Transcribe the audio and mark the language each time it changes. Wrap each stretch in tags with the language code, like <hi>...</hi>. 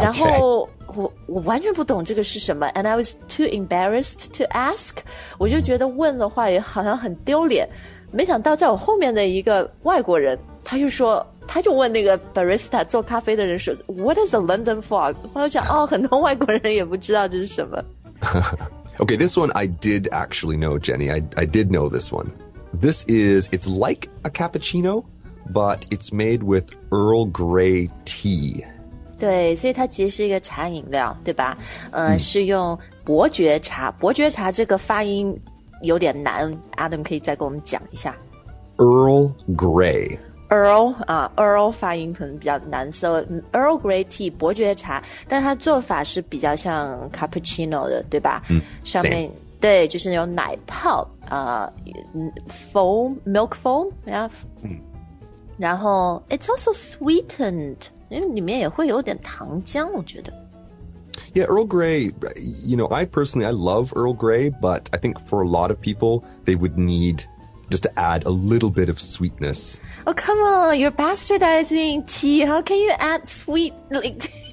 <zh>然后我完全不懂这个是什么 and I was too embarrassed to ask. 我就觉得问的话也好像很丢脸，没想到在我后面的一个外国人他就说，他就问那个 barista 做咖啡的人说 What is a London fog? 我就想哦，很多外国人也不知道这是什么</zh> <en>Okay, this one I did actually know, Jenny. I did know this one. This is, it's like a cappuccino, but it's made with Earl Grey tea.</en> <zh>对，所以它其实是一个茶饮料，对吧？是用伯爵茶。伯爵茶这个发音有点难 ，Adam 可以再给我们讲一下。</zh> <en>Earl Grey。</en> <zh>Earl 啊 ，Earl 发音可能比较难 ，so Earl Grey tea 伯爵茶，但它做法是比较像 cappuccino 的，对吧？上面、</zh> <en>Same.</en> <zh>对，就是那种奶泡啊、，foam milk foam， 然后 it's also sweetened。因为里面也会有点糖浆，我觉得。</zh> <en>Yeah, Earl Grey, you know, I personally, I love Earl Grey, but I think for a lot of people, they would need just to add a little bit of sweetness. Oh, come on, you're bastardizing tea. How can you add sweet, like,</en>